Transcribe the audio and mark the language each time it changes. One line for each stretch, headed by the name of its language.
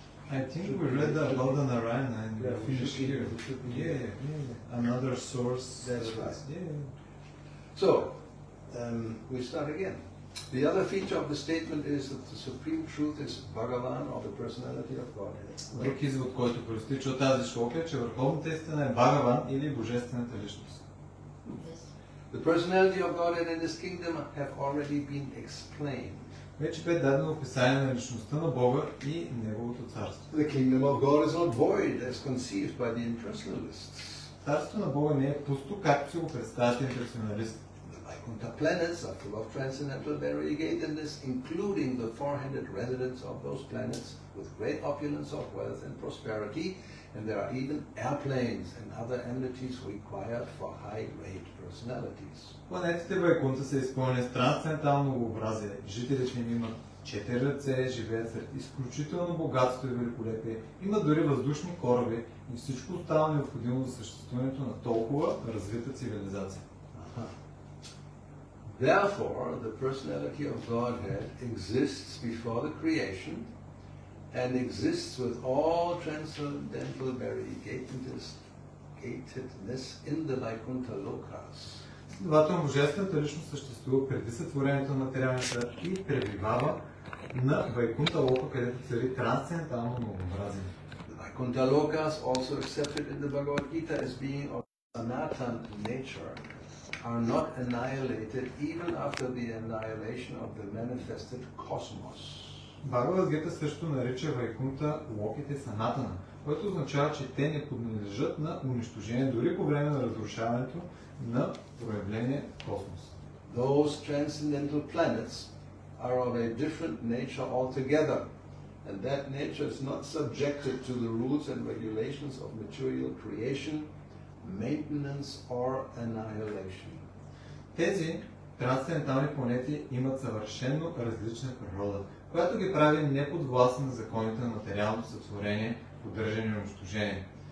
English: I think we read that about the Narayana and we finished here. Another source. That's right. So, we start again. The other feature of the statement is that the Supreme Truth is Bhagavan or the Personality of Godhead.
Bulgarian: Друг извод, който проистича от тази шлока, че върховната истина е Бхагаван или Божествената личност.
English: The Personality of Godhead and His Kingdom have already been explained.
Bulgarian: Вече бе дадено описание на личността на Бога и Неговото царство.
English: The Kingdom of God is not void as conceived by the impersonalists.
Bulgarian: Царството на Бога не е пусто, както си го представят имперсоналистите.
English: The planets are full of transcendental variegatedness, including the four-handed residents of those planets with great opulence of wealth and prosperity, and there are even airplanes and other amenities required for high-grade personalities.
Bulgarian: Планетите Вайкунта са изпълнени с трансцендентално многообразие. Жителите им имат четири ръце, живеят сред изключително богатство и великолепие, имат дори въздушни кораби и всичко останало необходимо за съществуването на толкова развита цивилизация.
English: Therefore, the personality of Godhead exists before the creation and exists with all transcendental variegatedness in the Vaikuntha lokas.
Bulgarian: Следователно, Божествената личност съществува преди сътворението на материалния свят и пребивава на Вайкунта лока, където цари трансцендентално многообразие.
English: The Vaikuntha lokas, also accepted in the Bhagavad Gita as being of sanatan nature, are not annihilated even after the annihilation of the manifested cosmos.
Bulgarian: Бхагавад Гита също нарича Вайкунта локите санатана, което означава, че те не подлежат на унищожение дори по време на разрушаването на проявление космос.
English: Those transcendental planets are of a different nature altogether, And that nature is not subjected to the rules and regulations of material creation, maintenance or annihilation.
Bulgarian: Тези трансцендентални планети имат съвършено различна природа, която ги прави неподвластни на законите на материалното сътворение, поддържане и унищожение.